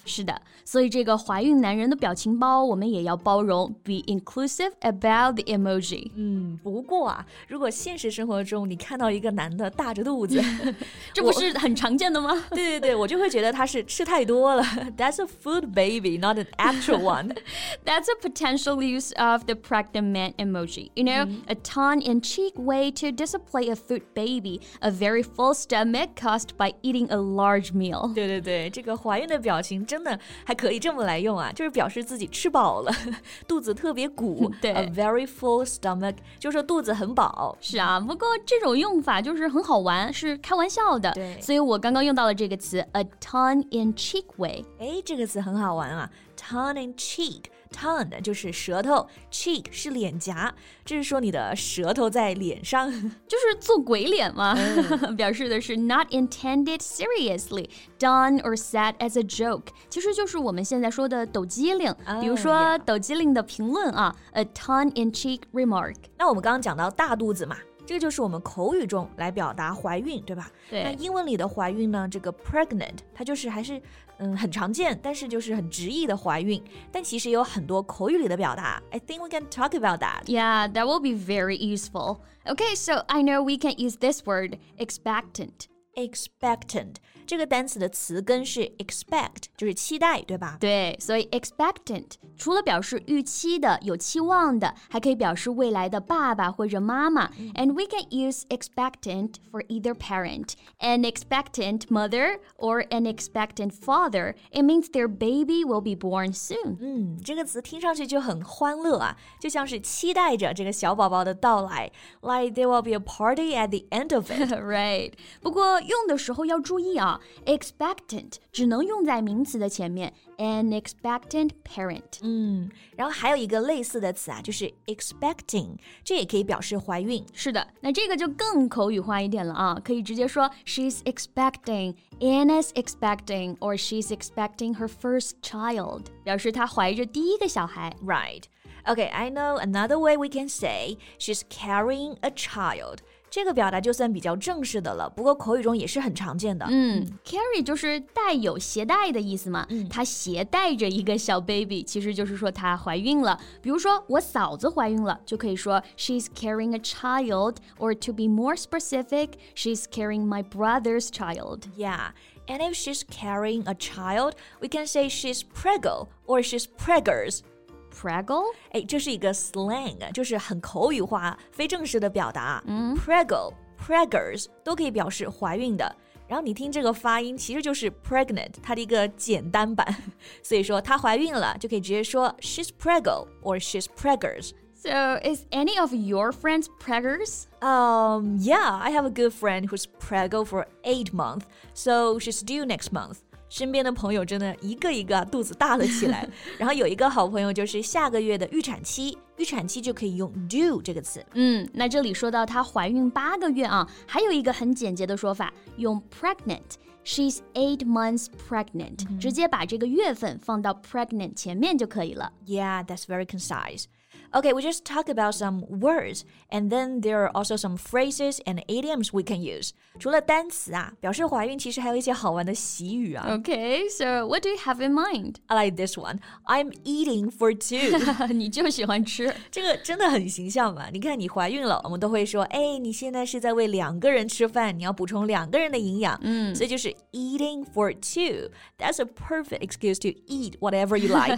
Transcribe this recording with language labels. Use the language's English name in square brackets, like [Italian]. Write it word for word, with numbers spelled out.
[Chinese] 是的，所以这个怀孕男人的表情包我们也要包容 [English] Be inclusive about the emoji. [Chinese] 嗯，不过啊，如果现实生活中你看到一个男的大着肚子这不是很常见的吗？对对对，我就会觉得他是吃太多了 [English] That's a food baby, not an actual one. That's a potential use of the pregnant man emoji. You know,、mm-hmm. a tongue-in-cheek way to display a food baby, a very full stomach caused by eating a large meal. [Chinese] 对对对，这个怀孕的表情真的还可以这么来用啊，就是表示自己吃饱了，肚子特别鼓。对， [English] a very full stomach， [Chinese] 就是肚子很饱。是啊，不过这种用法就是很好玩，是开玩笑的。对，所以我刚刚用到了这个词 [English] a tongue-in-cheek way。 [Chinese] 哎，这个词很好玩啊 ，tongue-in-cheek。Tongue 就是舌头 ，cheek 是脸颊，这是说你的舌头在脸上，就是做鬼脸嘛。嗯、表示的是 [English] not intended seriously, done or said as a joke， [Chinese] 其实就是我们现在说的抖机灵。 Oh, 比如说抖机灵的评论啊、yeah. ， [English] a tongue-in-cheek remark。 [Chinese] 那我们刚刚讲到大肚子嘛。这就是我们口语中来表达怀孕，对吧？对。那英文里的怀孕呢，这个 pregnant 它就是还是嗯很常见，但是就是很直译的怀孕。但其实也有很多口语里的表达。 [English] I think we can talk about that. Yeah, that will be very useful. Okay, so I know we can use this word, expectant. [Chinese] Expectant 这个单词的词根是 expect 就是期待，对吧？对，所以 expectant 除了表示预期的有期望的，还可以表示未来的爸爸或者妈妈、mm. [English] And we can use expectant for either parent, an expectant mother or an expectant father. It means their baby will be born soon. [Chinese] 嗯，这个词听上去就很欢乐啊，就像是期待着这个小宝宝的到来， [English] like there will be a party at the end of it. Right. [Chinese] 不过用的时候要注意啊 expectant 只能用在名词的前面 [English] an expectant parent [Chinese] 嗯，然后还有一个类似的词啊，就是 expecting 这也可以表示怀孕是的那这个就更口语化一点了啊可以直接说 [English] she's expecting Anna's expecting or she's expecting her first child [Chinese] 表示她怀着第一个小孩 [English] Right Okay, I know another way we can say she's carrying a child [Chinese] 这个表达就算比较正式的了不过口语中也是很常见的嗯 carry 就是带有携带的意思嘛嗯，她携带着一个小 baby 其实就是说她怀孕了比如说我嫂子怀孕了就可以说 [English] she's carrying a child or to be more specific she's carrying my brother's child yeah and if she's carrying a child we can say she's preggo or she's preggers Preggo? [Chinese] 哎，这是一个 slang, 就是很口语化、非正式的表达。嗯、Preggo, preggers 都可以表示怀孕的。然后你听这个发音，其实就是 pregnant 它的一个简单版。所以说她怀孕了，就可以直接说 [English] she's preggo or she's preggers。 So is any of your friends preggers? Um, yeah, I have a good friend who's preggo for eight months, so she's due next month. [Chinese] 身边的朋友真的一个一个肚子大了起来然后有一个好朋友就是下个月的预产期预产期就可以用 due 这个词嗯，那这里说到她怀孕八个月啊还有一个很简洁的说法用 pregnant [English] she's eight months pregnant、 [Chinese] 嗯、直接把这个月份放到 pregnant 前面就可以了 [English] Yeah, that's very concise Okay, we just talked about some words, and then there are also some phrases and idioms we can use. [Chinese] 除了单词啊，表示怀孕其实还有一些好玩的习语啊。 [English] Okay, so what do you have in mind? I like this one. I'm eating for two. [Chinese] 你就喜欢吃。这个真的很形象嘛。你看你怀孕了，我们都会说，哎，你现在是在为两个人吃饭，你要补充两个人的营养。嗯，所以就是 [English] eating for two. That's a perfect excuse to eat whatever you like.